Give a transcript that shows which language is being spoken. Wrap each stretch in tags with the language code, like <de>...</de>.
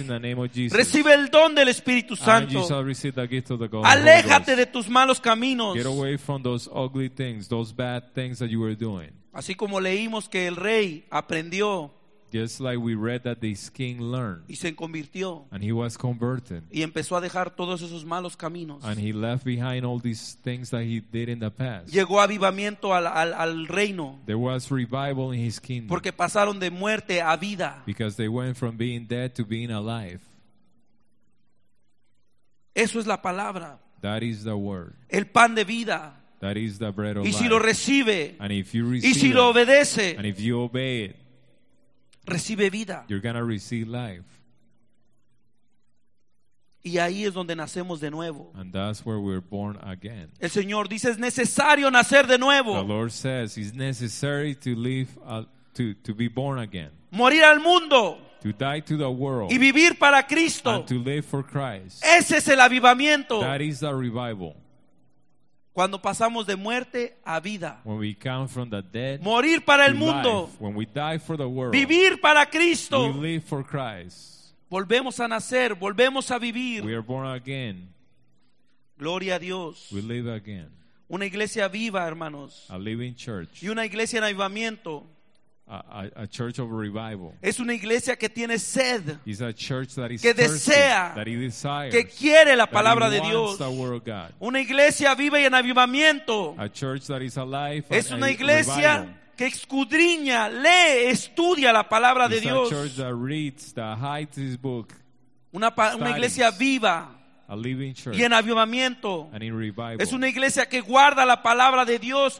<en>In the name of Jesus.</en> <es>Recibe el don del Espíritu Santo.</es> <en>And you shall receive the gift of the Holy Ghost.</en> <es>Aléjate de tus malos caminos.</es> <en>Get away from those ugly things, those bad things that you were doing.</en> <es>Así como leímos que el rey aprendió.</es> <en>Just like we read that this king learned.</en> <es>Y se convirtió.</es> <en>And he was converted.</en> <es>Y empezó a dejar todos esos malos caminos.</es> <en>And he left behind all these things that he did in the past.</en> <es>Llegó avivamiento al reino.</es> <en>There was revival in his kingdom.</en> <es>Porque pasaron de muerte a vida.</es> <en>Because they went from being dead to being alive.</en> <es>Eso es la palabra.</es> <en>That is the word.</en> <es>El pan de vida.</es> <en>That is the bread of life.</en> <es>Y si lo recibe.</es> <en>And if you receive</en> <es>y si lo obedece.</es> <en>It, and if you obey it.</en> <es>Recibe vida.</es> <en>You're gonna receive life.</en> <es>Y ahí es donde nacemos de nuevo.</es> <en>And that's where we're born again.</en> <es>El Señor dice es necesario nacer de nuevo.</es> <en>The Lord says it's necessary to live to be born again.</en> <es>Morir al mundo.</es> <en>To die to the world.</en> <es>Y vivir para Cristo.</es> <en>And to live for Christ.</en> <es>Ese es el avivamiento.</es> <en>That is the revival.</en> <es>Cuando pasamos de muerte a vida.</es> <en>When we come from the dead,</en> <es>morir para el mundo.</es> <en>Life. When we die for the world,</en> <es>vivir para Cristo.</es> <en>We live for Christ.</en> <es>Volvemos a nacer, volvemos a vivir.</es> <en>We are born again.</en> <es>Gloria a Dios.</es> <en>We live again.</en> <es>Una iglesia viva, hermanos.</es> <en>A living church.</en> <es>Y una iglesia en avivamiento.</es> <en>a church of revival.</en> <es>Es una iglesia que tiene sed.</es> <en>It's a church that is</en> <es>que desea,</es> <en>thirsty, that he desires,</en> <es>que quiere la palabra de Dios.</es> <en>The word of God.</en> <es>Una iglesia viva y en avivamiento.</es> <en>A church that is alive.</en> <es>Es una iglesia que escudriña, lee, estudia la palabra</es> <en>it's</en> <es>de Dios.</es> <en>A church that reads, that hides his book.</en> <es>Una iglesia viva.</es> <en>A living church.</en> <es>Y en avivamiento.</es> <en>And in revival.</en> <es>Es una iglesia que guarda la palabra de Dios</es>